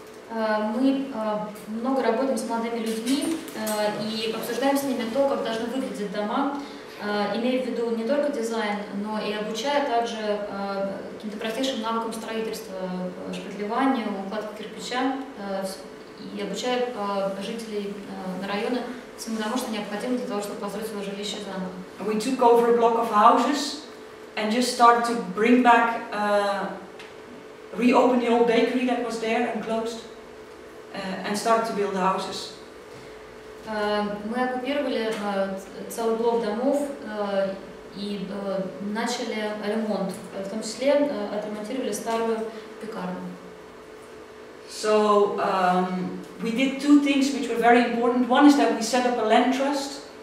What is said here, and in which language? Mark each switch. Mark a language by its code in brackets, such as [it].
[ru] Мы много работаем с молодыми людьми и обсуждаем с ними то, как должны выглядеть дома, имея в виду не только дизайн, но и обучая также каким-то простейшим навыкам строительства, шпатлеванию, укладке кирпича, и обучая жителей района потому что необходимо для того, чтобы построить свое жилище заново. [en] We took over a block of houses and just started to bring back, reopen the old bakery that was there and closed, and started to build the houses. [ru] Мы оккупировали целый блок домов и начали ремонт, в том числе отремонтировали старую пекарню. [en] So we did two things which were very important. One is that we set up a land trust.